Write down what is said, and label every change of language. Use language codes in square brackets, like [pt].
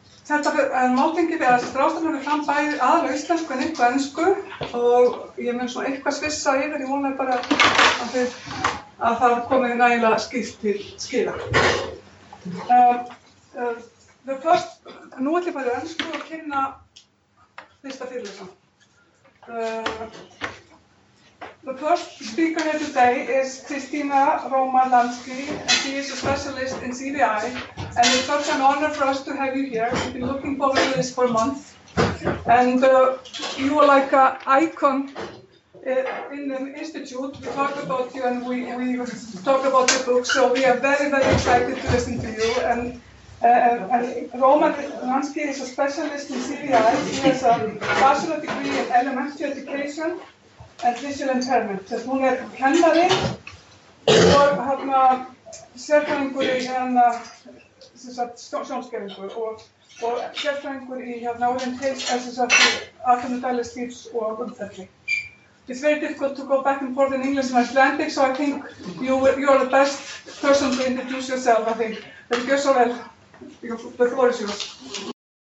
[is] Þetta er máltingi við að ráðstefnur við fram bæði aðalega íslensku en eitthvað ensku og ég mun svona eitthvað svissa yfir, ég vona bara að, að það komi nægilega skýrt til skila. Nú ætlum ég bara ensku að kynna fyrsta fyrirlesa. [en] The first speaker here today is Kristina Roma-Lansky, and she is a specialist in CVI, and it's such an honor for us to have you here. We've been looking forward to this for months, and you are like an icon in the institute. We talk about you and we talk about your book, so we are very, very excited to listen to you. And Roma Lansky is a specialist in CVI. She has a bachelor degree in elementary education and visual impairment. [is] Þess hún er kennari og hérna sérfræðingur í hérna sjónskerfingu og sérfræðingur í hérna áhrifum daglegs lífs og umhverfi. [en] It's very difficult to go back and forth in English and Icelandic, so I think you are the best person to introduce yourself, I think. [is] Þetta er gjör svo vel. [en] Because the floor is yours.